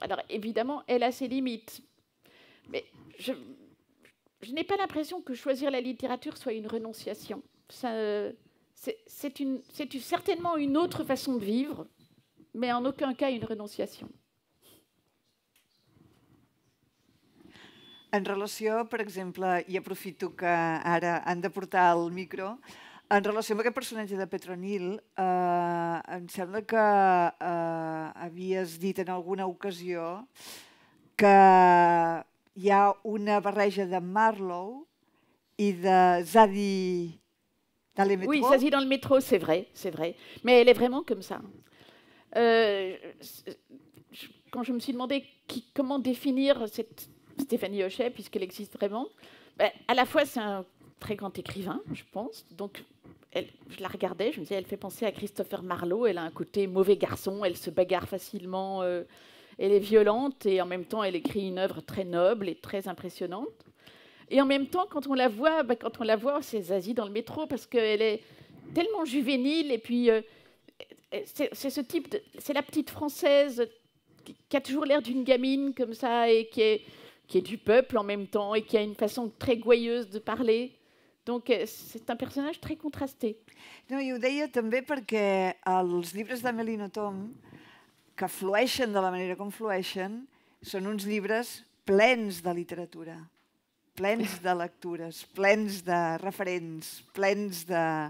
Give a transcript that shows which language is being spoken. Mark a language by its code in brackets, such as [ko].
[fr] Alors, évidemment, elle a ses limites. Mais je n'ai pas l'impression que choisir la littérature soit une renonciation. C'est certainement une autre façon de vivre, mais en aucun cas une renonciation. [ca] En relació, per exemple, i aprofito que ara han de portar el micro, en relació amb aquest personatge de Petronil, em sembla que havies dit en alguna ocasió que hi ha una barreja de Marlowe i de Zadi [fr] dans les métros. Oui, Zadi dans le métro, c'est vrai, c'est vrai. Mais elle est vraiment comme ça. Quand je me suis demandé comment définir cette Stéphanie Hochet, puisqu'elle existe vraiment, à la fois, c'est un très grand écrivain, je pense, donc je la regardais, je me disais, elle fait penser à Christopher Marlowe, elle a un côté mauvais garçon, elle se bagarre facilement, elle est violente, et en même temps, elle écrit une œuvre très noble et très impressionnante. Et en même temps, quand on la voit, c'est Zazie dans le métro, parce qu'elle est tellement juvénile, et puis c'est la petite française qui a toujours l'air d'une gamine, comme ça, et qui est du peuple en même temps et qui a une façon très gouailleuse de parler. Donc, c'est un personnage très contrasté. [ca] No, i ho deia també perquè els llibres d'Amélie Nothomb, que flueixen de la manera com flueixen, són uns llibres plens de literatura, plens de lectures, plens de referents, plens de...